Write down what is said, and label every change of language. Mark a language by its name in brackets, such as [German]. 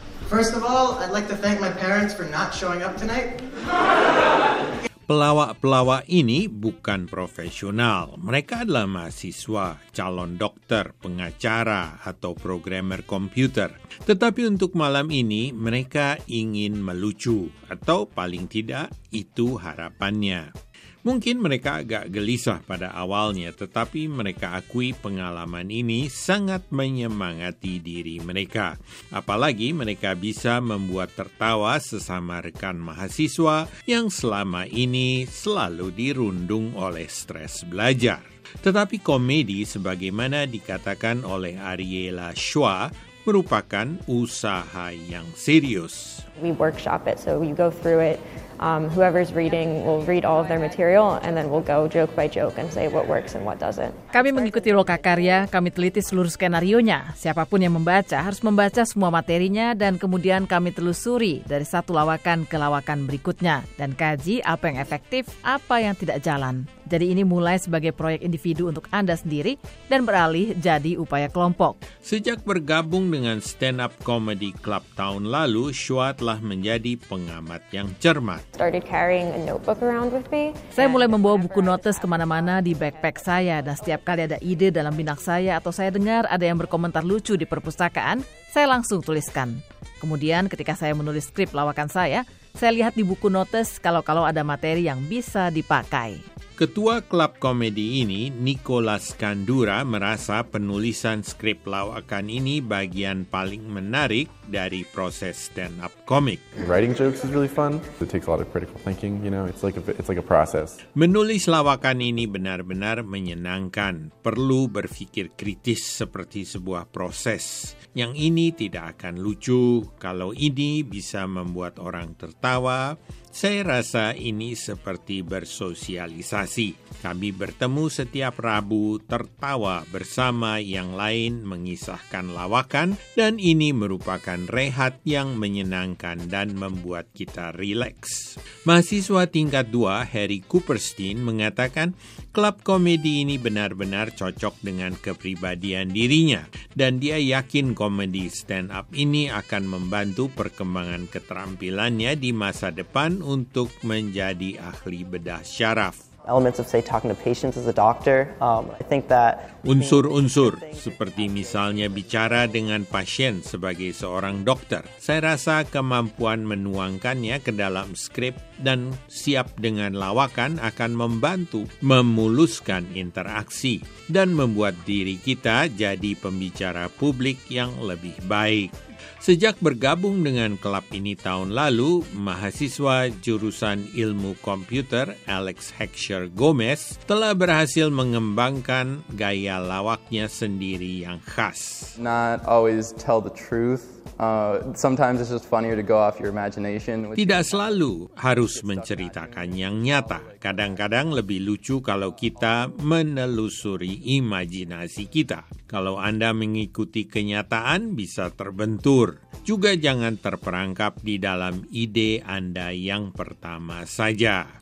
[English] First of all, I'd like to thank my parents for not showing up tonight. [Indonesian] Pelawak-pelawak ini bukan profesional. Mereka adalah mahasiswa, calon dokter, pengacara, atau programmer komputer. Tetapi untuk malam ini, mereka ingin melucu. Atau paling tidak, itu harapannya. Mungkin mereka agak gelisah pada awalnya, tetapi mereka akui pengalaman ini sangat menyemangati diri mereka. Apalagi mereka bisa membuat tertawa sesama rekan mahasiswa yang selama ini selalu dirundung oleh stres belajar. Tetapi komedi, sebagaimana dikatakan oleh Ariela Shua, merupakan usaha yang serius. [English] We workshop it, so you go through it. Whoever's reading will read all of their material and then we'll go joke by joke and say what works and what doesn't. [Indonesian] Kami mengikuti lokakarya, kami teliti seluruh skenarionya. Siapapun yang membaca harus membaca semua materinya dan kemudian kami telusuri dari satu lawakan ke lawakan berikutnya dan kaji apa yang efektif, apa yang tidak jalan. Jadi ini mulai sebagai proyek individu untuk Anda sendiri dan beralih jadi upaya kelompok. Sejak bergabung dengan Stand Up Comedy Club tahun lalu, Shua telah menjadi pengamat yang cermat. [English] Started carrying a notebook around with me. [Indonesian] Saya mulai membawa buku notes kemana-mana di backpack saya dan setiap kali ada ide dalam benak saya atau saya dengar ada yang berkomentar lucu di perpustakaan, saya langsung tuliskan. Kemudian ketika saya menulis skrip lawakan saya lihat di buku notes kalau-kalau ada materi yang bisa dipakai. Ketua klub komedi ini, Nicholas Kandura, merasa penulisan skrip lawakan ini bagian paling menarik dari proses stand-up komik. [English] Writing jokes is really fun. It takes a lot of critical thinking, you know. It's like a process. [Indonesian] Menulis lawakan ini benar-benar menyenangkan. Perlu berpikir kritis seperti sebuah proses. Yang ini tidak akan lucu. Kalau ini bisa membuat orang tertawa, saya rasa ini seperti bersosialisasi. Kami bertemu setiap Rabu, tertawa bersama yang lain mengisahkan lawakan, dan ini merupakan rehat yang menyenangkan dan membuat kita rileks. Mahasiswa tingkat 2, Harry Cooperstein, mengatakan klub komedi ini benar-benar cocok dengan kepribadian dirinya, dan dia yakin komedi stand-up ini akan membantu perkembangan keterampilannya di masa depan untuk menjadi ahli bedah syaraf. [English] Elements of say talking to patients as a doctor. I think that [Indonesian] unsur-unsur seperti misalnya bicara dengan pasien sebagai seorang dokter. Saya rasa kemampuan menuangkannya ke dalam skrip dan siap dengan lawakan akan membantu memuluskan interaksi dan membuat diri kita jadi pembicara publik yang lebih baik. Sejak bergabung dengan klub ini tahun lalu, mahasiswa jurusan ilmu komputer Alex Heckscher Gomez telah berhasil mengembangkan gaya lawaknya sendiri yang khas. [English] Not always tell the truth. Sometimes it's just funnier to go off your imagination. [Indonesian] Tidak selalu harus menceritakan yang nyata. Kadang-kadang lebih lucu kalau kita menelusuri imajinasi kita. Kalau Anda mengikuti kenyataan, bisa terbentur. Juga jangan terperangkap di dalam ide Anda yang pertama saja.